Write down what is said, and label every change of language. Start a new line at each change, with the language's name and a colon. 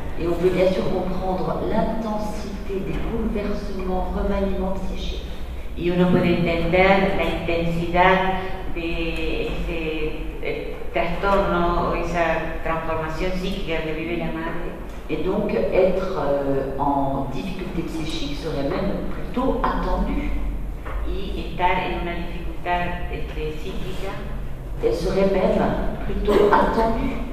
French: Et on peut bien sûr comprendre l'intensité des bouleversements, remaniements psychiques.
Spanish: Y uno puede entender la intensidad de ese trastorno o esa transformación psíquica que vive la madre.
French: Et donc être en difficulté psychique serait même plutôt attendu.
Spanish: Y estar en una dificultad psíquica
French: serait même plutôt attendu.